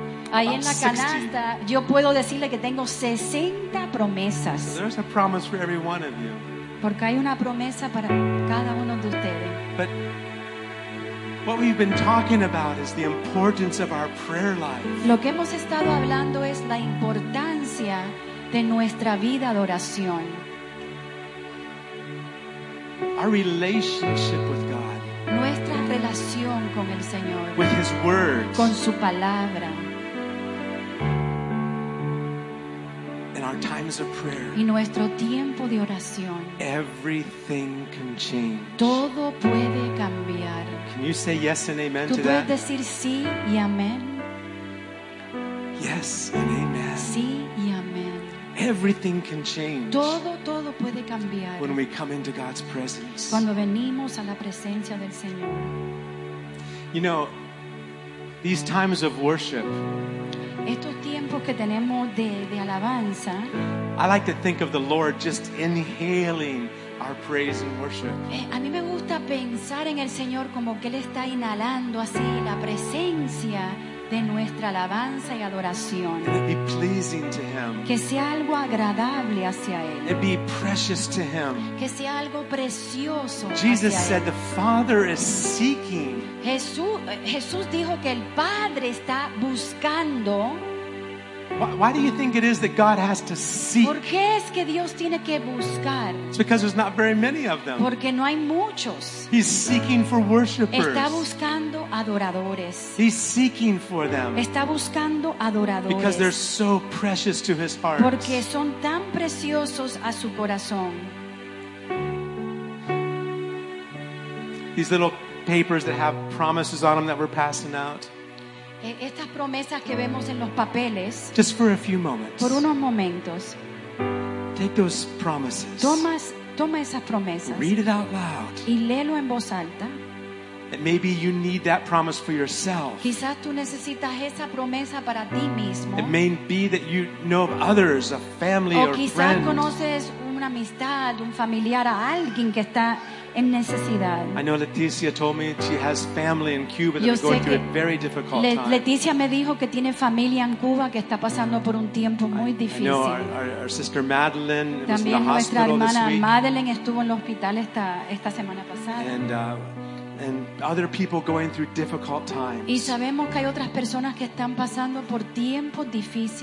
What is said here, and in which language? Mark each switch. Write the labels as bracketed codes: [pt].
[es] ahí en la canasta, yo puedo decirle que tengo 60 promesas. [en] So there's a promise for every one of you. [es] Porque hay una promesa para cada uno de ustedes. [en] But what we've been talking about is the importance of our prayer life. [es] Lo que hemos estado hablando es la importancia de nuestra vida de oración. [en] Our relationship with God. [es] Nuestra relación con el Señor. [en] With His word. [es] Con su palabra. [en] In our times of prayer, [es] y nuestro tiempo de oración, [en] everything can change. [es] Todo puede cambiar. [en] Can you say yes and amen to that? [es] ¿Tú puedes decir sí y amén? [en] Yes and amen. [es] Sí y amén. [en] Everything can change. [es] Todo puede cambiar. [en] When we come into God's presence. [es] Cuando venimos a la presencia del Señor. [en] You know, these times of worship. [es] Estos tiempos que tenemos de alabanza. [en] I like to think of the Lord just inhaling our praise and worship. [es] A mí me gusta pensar en el Señor como que Él está inhalando así la presencia de nuestra alabanza y adoración. [en] And it be pleasing to Him. [es] Que sea algo agradable hacia Él. [en] It be precious to Him. [es] Que sea algo precioso. [en] Jesus [es] hacia [en] said [es] Él. [en] The Father is seeking. [es] Jesús dijo que el Padre está buscando. [en] Why do you think it is that God has to seek? [es] ¿Por qué es que Dios tiene que buscar? [en] It's because there's not very many of them. [es] Porque no hay muchos. [en] He's seeking for worshipers. [es] Está buscando adoradores. [en] He's seeking for them. [es] Está buscando adoradores. [en] Because they're so precious to His heart. [es] Porque son tan preciosos a su corazón. [en] These little papers that have promises on them that we're passing out. [es] Estas promesas que vemos en los papeles. [en] Just for a few moments. [es] Por unos momentos. [en] Take those promises. [es] Toma esas promesas. [en] Read it out loud. [es] Y léelo en voz alta. [en] And maybe you need that promise for yourself. [es] Quizás tú necesitas esa promesa para ti mismo. [en] It may be that you know of others, a family or friend. [es] O quizás conoces una amistad, un familiar, a alguien que está en necesidad. [en] I know Leticia told me she has family in Cuba that is going through a very difficult time. [es] Leticia me dijo que tiene familia en Cuba que está pasando por un tiempo muy difícil. [en] I know our sister Madeline was in the hospital [es] También nuestra hermana Madeline estuvo en el hospital esta semana pasada. [en] And other people going through difficult times. [es] Y sabemos que hay otras personas que están pasando por tiempos difíciles.